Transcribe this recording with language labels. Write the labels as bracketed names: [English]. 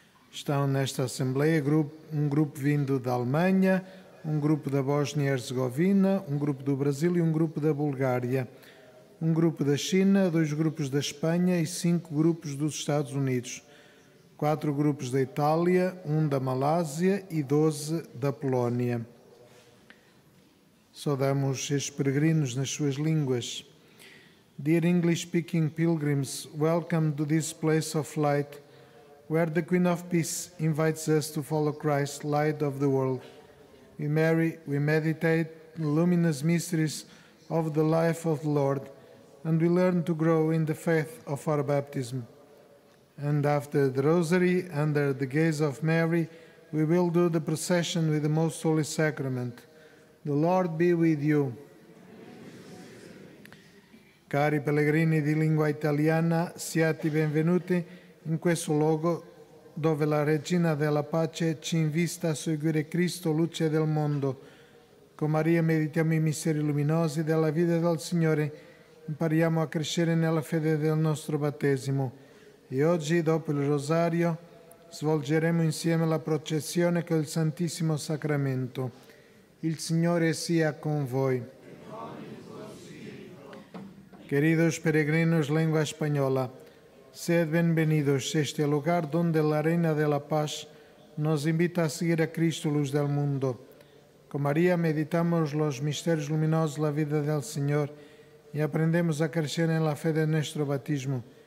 [Portuguese] Estão nesta Assembleia um grupo vindo da Alemanha, um grupo da Bósnia-Herzegovina, um grupo do Brasil e um grupo da Bulgária, um grupo da China, dois grupos da Espanha e cinco grupos dos Estados Unidos, quatro grupos da Itália, um da Malásia e 12 da Polónia. Saudamos estes peregrinos nas suas línguas. [English] Dear English-speaking pilgrims, welcome to this place of light, where the Queen of Peace invites us to follow Christ, Light of the World. We marry, we meditate the luminous mysteries of the life of the Lord, and we learn to grow in the faith of our baptism. And after the Rosary, under the gaze of Mary, we will do the procession with the Most Holy Sacrament. The Lord be with you. [Italian] Cari pellegrini di lingua italiana, siate benvenuti in questo luogo dove la Regina della Pace ci invita a seguire Cristo, luce del mondo. Con Maria meditiamo i misteri luminosi della vita del Signore, impariamo a crescere nella fede del nostro battesimo. E oggi, dopo il Rosario, svolgeremo insieme la processione con il Santissimo Sacramento. Il Signore sia con voi. [Spanish] Queridos peregrinos, lengua española, sed bienvenidos a este lugar donde la Reina de la Paz nos invita a seguir a Cristo, luz del mundo. Con María meditamos los misterios luminosos de la vida del Señor y aprendemos a crecer en la fe de nuestro batismo.